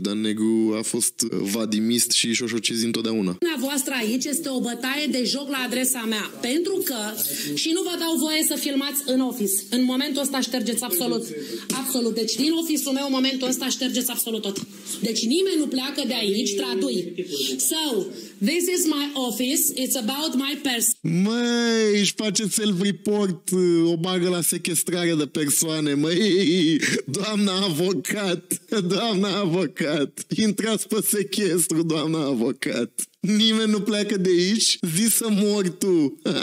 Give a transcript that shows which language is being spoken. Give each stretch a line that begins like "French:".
Romanian: Dan Negru a fost vadimist și șoșocizi întotdeauna. Una voastră aici este o bătaie de joc la adresa mea, pentru că și nu vă dau voie să filmați în office. În momentul ăsta ștergeți absolut, absolut. Deci din office-ul meu în momentul ăsta ștergeți absolut tot. Deci nimeni nu pleacă de aici, tradui.
English: So, this is my office, it's about my person.
Romanian: Măi, își face self-report, o bagă la sechestrare de persoane. Măi, doamna avocat, doamna avocat, intrați pe sechestru, doamna avocat. Nimeni nu pleacă de aici, zi să mori tu.